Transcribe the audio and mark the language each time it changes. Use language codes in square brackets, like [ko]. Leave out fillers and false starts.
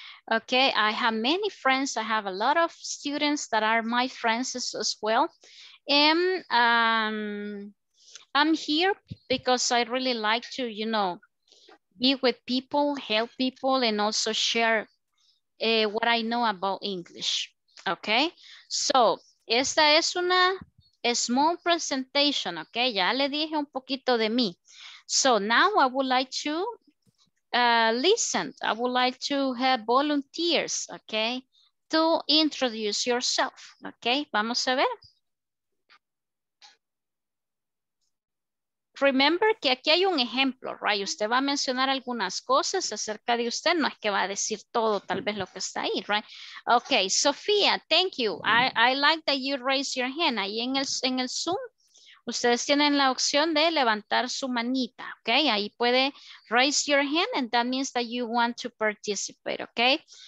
[en] Okay, I have many friends. I have a lot of students that are my friends as well. And I'm here because I really like to, you know, be with people, help people, and also share what I know about English. [es] Okay, so esta es una [en] small presentation. [es] Okay, ya le dije un poquito de mí. [en] So now I would like to listen, I would like to have volunteers, okay, to introduce yourself, okay? [es] Vamos a ver. remember que aquí hay un ejemplo, right? Usted va a mencionar algunas cosas acerca de usted, no es que va a decir todo, tal vez lo que está ahí, right? [en] Okay, Sofía, thank you. I like that you raise your hand. [es] Ahí en el Zoom, ustedes tienen la opción de levantar su manita, okay? Ahí puede [en] raise your hand and that means that you want to participate, okay?